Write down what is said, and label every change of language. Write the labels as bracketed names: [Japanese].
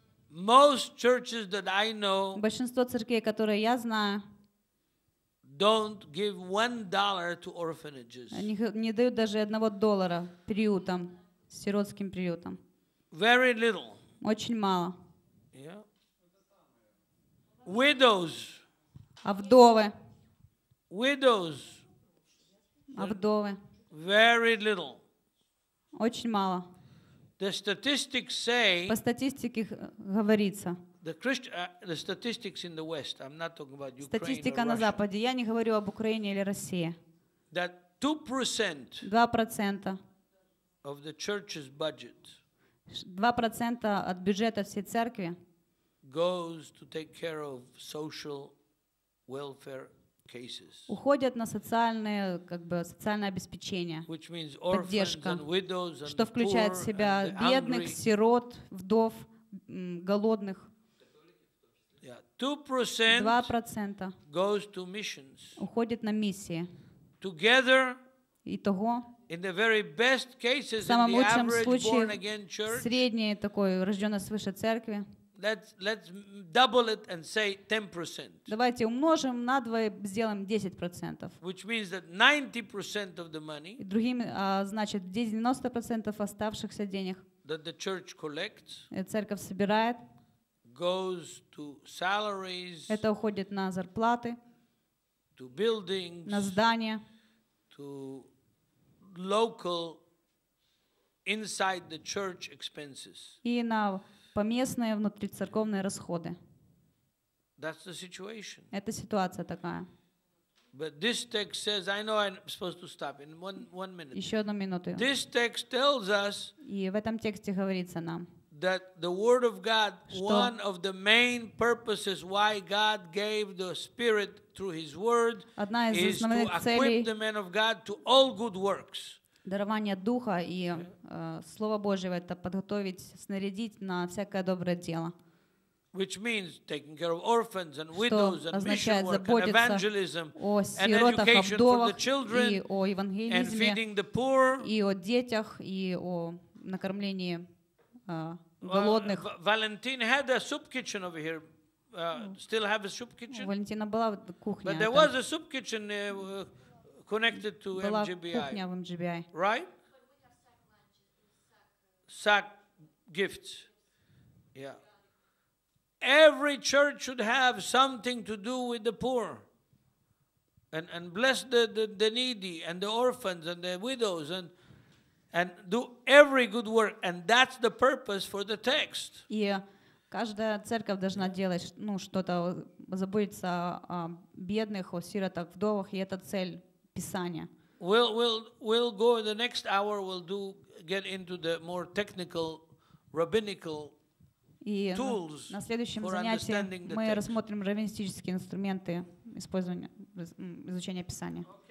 [English] Most churches that I know, [Russian] большинство церквей, которые я знаю, [English] don't give $1 to orphanages. [Russian] Они не дают даже $1 приютам, сиротским приютам. [English] Very little. [Russian] Очень мало. [English] Yeah. Widows. [Russian] А вдовы. [English] Widows. [Russian] А вдовы. [English] Very little. [Russian] Очень мало. [English] The statistics say, [Russian] по статистике говорится, [English] the statistics in the West, I'm not talking about Ukraine. [Russian] Статистика на Западе, я не говорю об Украине или России. [English] That 2%, [Russian] 2% [English] of the church's budget, [Russian] 2% от бюджета всей церкви [English] goes to take care of social welfare cases. [Russian] Уходят на социальные, как бы, социальное обеспечение, [English] which means orphans, [Russian] поддержка, [English] and widows, [Russian] что включает в себя бедных, сирот, вдов, голодных. [English] 2% goes to missions. [Russian] Уходит на миссии. [English] Together. [Russian] Итого. [English] In the very best cases, in the average born again church. [Russian] Средней такой рожденной свыше церкви. [English] Let's double it and say 10%. [Russian] Давайте умножим на два, сделаем 10%. [English] Which means that 90% of the money. [Russian] Другим значит 90% оставшихся денег. [English] That the church collects. [Russian] Церковь собирает. [English] Goes to salaries. [Russian] Это уходит на зарплаты. [English] To buildings. [Russian] На здания. [English] To local inside the church expenses. [Russian] И на поместные внутрицерковные расходы. [English] That's the situation. [Russian] Это ситуация такая. [English] But this text says, I know I'm supposed to stop in one minute. [Russian] Еще одну минуту. [English] This text tells us. [Russian] И в этом тексте говорится нам. [English] That the word of God, one of the main purposes why God gave the Spirit through His word, is to equip the men of God to all good works. [Russian] Дарование Духа и Слово Божие это подготовить, снарядить на всякое доброе дело. [English] Which means taking care of orphans and widows and mission work and evangelism and education for the children and feeding the poor [Russian] и о детях и о накормлении голодных. [English] Valentin had a soup kitchen over here. Still have a soup kitchen? [Russian] Валентина была в кухне. [English] But there was a soup kitchen connected to MGBI. [Russian] Была кухня в MGBI. [English] Right? Sack gifts. Yeah. Every church should have something to do with the poor. And bless the needy and the orphans and the widows and do every good work, and that's the purpose for the text. [Russian] И каждая церковь должна делать, ну, что-то, заботиться о бедных, о сиротах, вдовах, и это цель Писания. [English] We'll go in the next hour, get into the more technical rabbinical tools. [Russian] На следующем занятии мы рассмотрим раввинистические инструменты использования изучения Писания.